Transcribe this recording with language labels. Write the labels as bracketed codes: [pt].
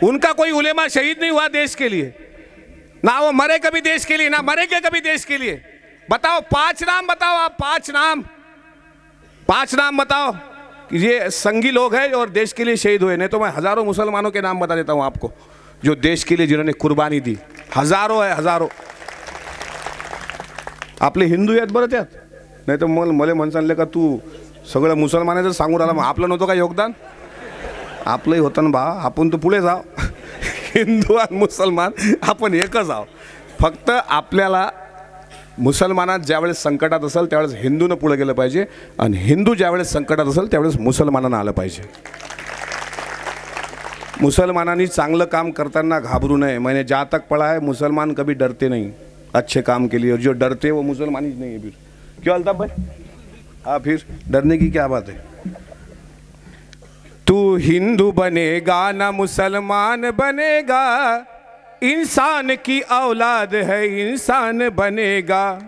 [hi] उनका कोई उलेमा शहीद नहीं हुआ देश के लिए, ना वो मरे कभी देश के लिए, ना मरेंगे कभी देश के लिए। बताओ पांच नाम बताओ आप, पांच नाम बताओ कि ये संगी लोग हैं और देश के लिए शहीद हुए। नहीं तो मैं हजारों मुसलमानों के नाम बता देता हूं आपको जो देश के लिए जिन्होंने कुर्बानी दी, हजारों है हजारों। [mr] आपले हिंदू आहेत बरं त्यात? नाही तर मग मले म्हण चालले का तू सगळं मुसलमानाचं सांगून राहिला, मग आपलं नव्हतं का योगदान? आपलंही होतं ना बा, आपण तर पुढे जाओ, हिंदू आणि मुसलमान आपण एकच आहो। फक्त आपल्याला मुसलमानात ज्यावेळेस संकटात असेल त्यावेळेस हिंदूनं पुढे गेलं पाहिजे, आणि हिंदू ज्यावेळेस संकटात असेल त्यावेळेस मुसलमानांना आलं पाहिजे। मुसलमानांनी चांगलं काम करताना घाबरू नये, [hi] मैंने जहाँ तक पढ़ा है मुसलमान कभी डरते नहीं अच्छे काम के लिए, और जो डरते वो मुसलमान ही नहीं है फिर। क्यों अल्ताफ भाई? हाँ फिर डरने की क्या बात है? तू हिंदू बनेगा ना मुसलमान बनेगा, इंसान की औलाद है इंसान बनेगा।